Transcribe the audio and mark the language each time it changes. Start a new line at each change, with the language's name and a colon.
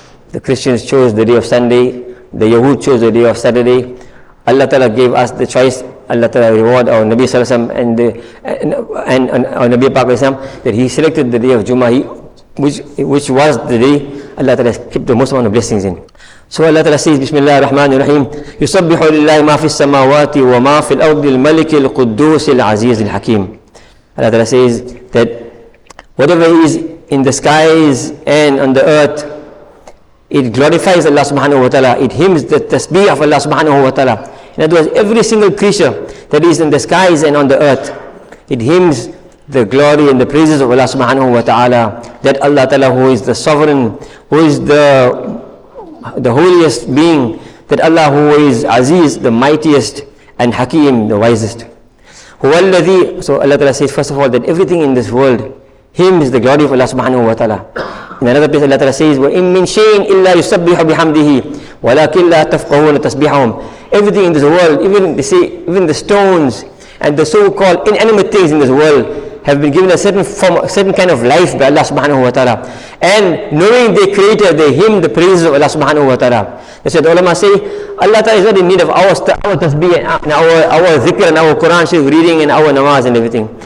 English: The Christians chose the day of Sunday, the Yahud chose the day of Saturday. Allah Ta'ala gave us the choice. Allah Ta'ala reward our Nabi Sallallahu Alaihi Wasallam and our Nabi Pak Islam that he selected the day of Jumu'ah, which was the day Allah Ta'ala kept the most amount of blessings in. So Allah Ta'ala says,
Arabic: Bismillah ar-Rahman ar-Rahim, يُصَبِّحُ لِلَّهِ مَا فِي السَّمَاوَاتِ وَمَا فِي الْأَرْضِ الْمَلِكِ الْقُدُّوسِ الْعَزِيزِ الْحَكِيمِ.
English: Allah Ta'ala says that whatever is in the skies and on the earth, it glorifies Allah Subhanahu Wa Ta'ala. It hymns the tasbih of Allah Subhanahu Wa Ta'ala. In other words, every single creature that is in the skies and on the earth, it hymns the glory and the praises of Allah Subhanahu Wa Ta'ala, that Allah Ta'ala, who is the sovereign, who is the holiest being, that Allah, who is Aziz, the mightiest, and Hakim, the wisest. So Allah Ta'ala says, first of all, that everything in this world hymns the glory of Allah Subhanahu Wa Ta'ala. In another place, Allah Ta'ala says,
Arabic: وَإِن مِّن شَيْءٍ إِلَّا يُسَبِّحُ بِحَمْدِهِ وَلَكِنْ لَا تَفْقَهُونَ تَسْبِحَهُمْ.
English: Everything in this world, even they say, even the stones and the so-called inanimate things in this world have been given a certain form, a certain kind of life by Allah Subhanahu Wa Ta'ala. And knowing their creator, they hymn the praises of Allah Subhanahu Wa Ta'ala. They said, the ulama say, Allah Ta'ala is not in need of our tasbih and our zikr and our Quran reading and our namaz and everything.